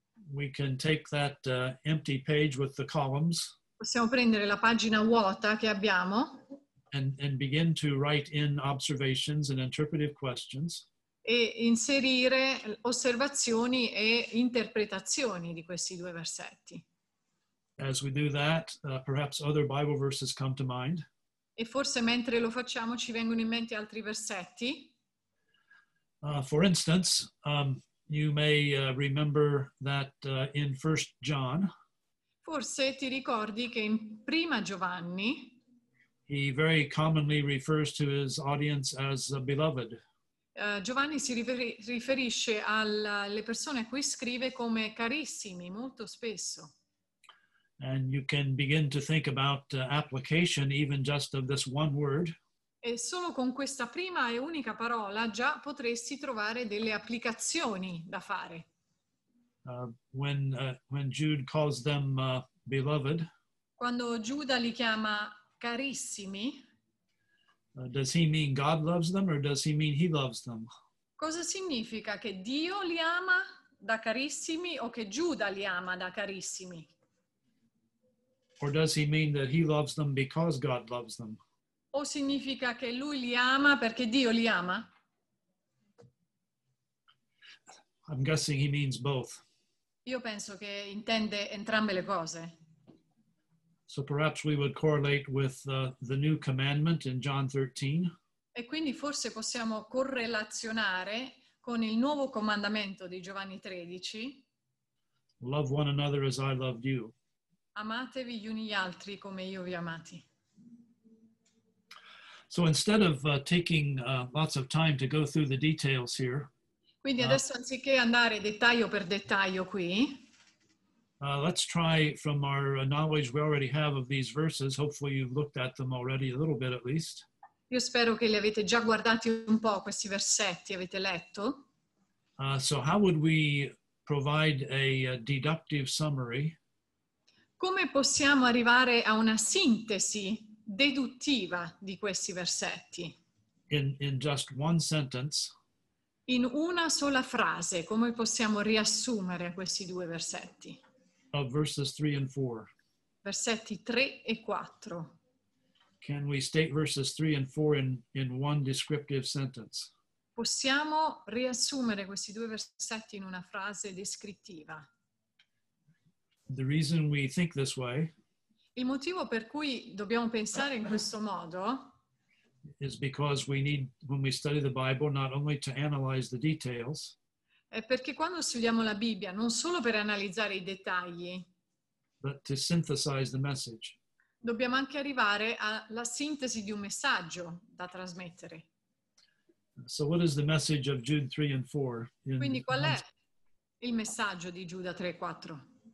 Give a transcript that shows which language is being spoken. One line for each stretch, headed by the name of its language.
English: we can take that empty page with the columns.
Italian: Possiamo prendere la pagina vuota che abbiamo.
English: And begin to write in observations and interpretive questions.
Italian: E inserire osservazioni e interpretazioni di questi due versetti.
English: As we do that, perhaps other Bible verses come to mind.
Italian: E forse mentre lo facciamo ci vengono in mente altri versetti.
English: For instance, you may remember that in 1 John.
Italian: Forse ti ricordi che in Prima Giovanni.
English: He very commonly refers to his audience as beloved.
Italian: Giovanni si riferisce alle persone a cui scrive come carissimi molto spesso.
English: And you can begin to think about application even just of this one word.
Italian: E solo con questa prima e unica parola già potresti trovare delle applicazioni da fare.
English: When Jude calls them beloved.
Italian: Quando Giuda li chiama carissimi.
English: Does he mean God loves them or does he mean he loves them?
Italian: Cosa significa che Dio li ama da carissimi o che Giuda li ama da carissimi?
English: Or does he mean that he loves them because God loves them?
Italian: O significa che lui li ama perché Dio li ama?
English: I'm guessing he means both.
Italian: Io penso che intende entrambe le cose.
English: So perhaps we would correlate with the new commandment in John 13.
Italian: E quindi forse possiamo correlazionare con il nuovo comandamento di Giovanni 13.
English: Love one another as I loved you.
Italian: Amatevi gli uni gli altri come io vi amati.
English: So instead of taking lots of time to go through the details here.
Italian: Quindi adesso anziché andare dettaglio per dettaglio qui.
English: Let's try from our knowledge we already have of these verses. Hopefully you've looked at them already a little bit at least.
Italian: Io spero che li avete già guardati un po' questi versetti, avete letto.
English: So how would we provide a deductive summary?
Italian: Come possiamo arrivare a una sintesi deduttiva di questi versetti?
English: In just one sentence.
Italian: In una sola frase, come possiamo riassumere questi due versetti?
English: Of verses 3 and 4.
Italian: Versetti 3 e 4.
English: Can we state verses 3 and 4 in one descriptive sentence?
Italian: Possiamo riassumere questi due versetti in una frase descrittiva?
English: The reason we think this way.
Italian: Il motivo per cui dobbiamo pensare in questo modo.
English: Is because we need, when we study the Bible, not only to analyze the details.
Italian: È perché quando studiamo la Bibbia, non solo per analizzare i dettagli,
English: but to synthesize the message.
Italian: Dobbiamo anche arrivare alla sintesi di un messaggio da trasmettere.
English: So what is the message of Jude 3 and 4?
Italian: Quindi qual è il messaggio di Giuda 3 e 4?